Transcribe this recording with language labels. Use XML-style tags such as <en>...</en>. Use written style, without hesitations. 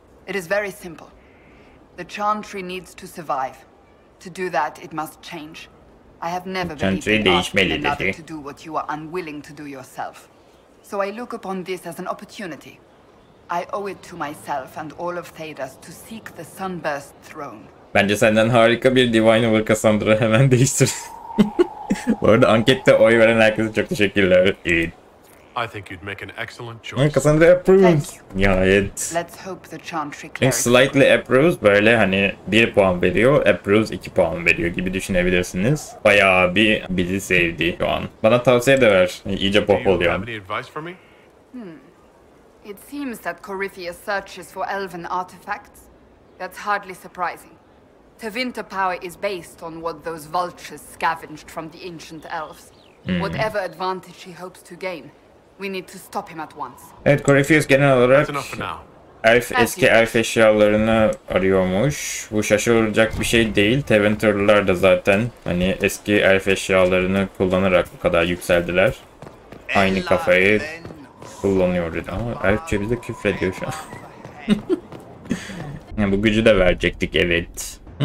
<en>It is very simple. The Chantry needs to survive. To do that, it must change. I have never believed in asking another to do what you are unwilling to do yourself. So I look upon this as an opportunity. I owe it to myself and all of Thedas to seek the Sunburst throne.</en> <tr>Bence senden harika bir divine olur Cassandra, hemen değiştir. Bu arada ankette oy veren herkese çok teşekkürler. Evet.</tr> <en>I think you'd make an excellent choice. Cassandra approves.</en> <tr>Nihayet.</tr> <en>Let's hope the Chantry clerics. Slightly approves,</en> <tr>böyle hani 1 puan veriyor, approves 2 puan veriyor gibi düşünebilirsiniz. Bayağı bir bizi sevdi şu an. Bana tavsiye de ver. İyice popoluyor.</tr> <en>Do you have any advice for me? It seems that Corypheus searches for elven artifacts. That's hardly surprising. Tevinter power is based on what those vultures scavenged from the ancient elves. Whatever advantage he hopes to gain, we need to stop him at once.</en> <tr>Evet, Corypheus genel olarak eski elf eşyalarını arıyormuş. Bu şaşıracak bir şey değil. Tevinterlılar da zaten hani eski elf eşyalarını kullanarak bu kadar yükseldiler. Aynı kafayı kullanıyor dedi ama elfçe bize küfrediyor şu an. Yani bu gücü de verecektik, evet.</tr>